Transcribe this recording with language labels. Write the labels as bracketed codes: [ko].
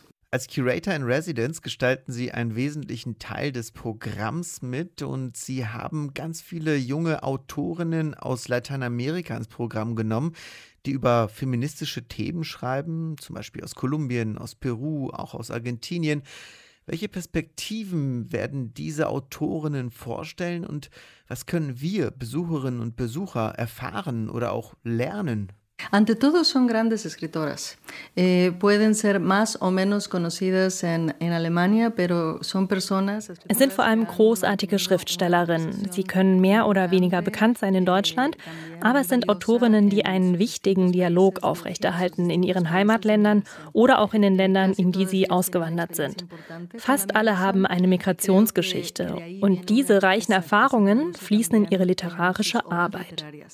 [de] Als Curator in Residence gestalten Sie einen wesentlichen Teil des Programms mit und Sie haben ganz viele junge Autorinnen aus Lateinamerika ins Programm genommen, die über feministische Themen schreiben, zum Beispiel aus Kolumbien, aus Peru, auch aus Argentinien. Welche Perspektiven werden diese Autorinnen vorstellen und was können wir Besucherinnen und Besucher erfahren oder auch lernen? [es] Ante todo son grandes escritoras. Pueden ser más o menos conocidas en Alemania, pero son personas. [de] Es sind vor allem großartige Schriftstellerinnen. Sie können mehr oder weniger bekannt sein in Deutschland, aber es sind Autorinnen, die einen wichtigen Dialog aufrechterhalten in ihren Heimatländern oder auch in den Ländern, in die sie ausgewandert sind. Fast alle haben eine Migrationsgeschichte und diese reichen Erfahrungen fließen in ihre literarische Arbeit.